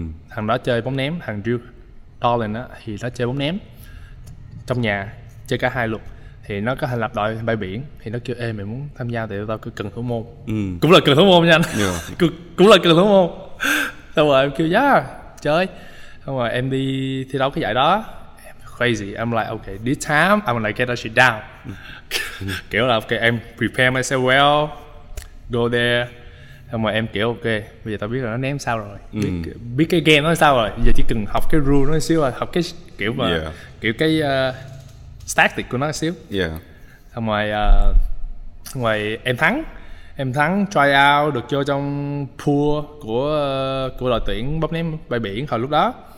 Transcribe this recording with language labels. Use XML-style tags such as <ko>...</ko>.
<vi>Thằng đó chơi bóng ném, thằng Drew Dolan á, thì nó chơi bóng ném trong nhà, chơi cả hai luật. Thì nó có thành lập đội bay biển. Thì nó kêu ê, mày muốn tham gia thì tao cứ cần thủ môn. Cũng là cần thủ môn nha anh. Cũng là cần thủ môn. Xong rồi em kêu yeah, chơi. Xong rồi em đi thi đấu cái giải đó.</vi> <en>Em crazy, I'm like ok, this time I'm gonna get that shit down.</en> <vi>Kiểu là</vi> <en>ok, em prepare myself well, go there.</en> <vi>Xong rồi em kiểu ok, bây giờ tao biết là nó ném sao rồi. Biết cái game nó sao rồi, bây giờ chỉ cần học cái rule nó xíu rồi. Học cái kiểu mà kiểu cái static của nó xíu. Xong rồi ngoài em thắng try out, được vô trong pool của đội tuyển bóng ném bãi biển hồi lúc đó.</vi>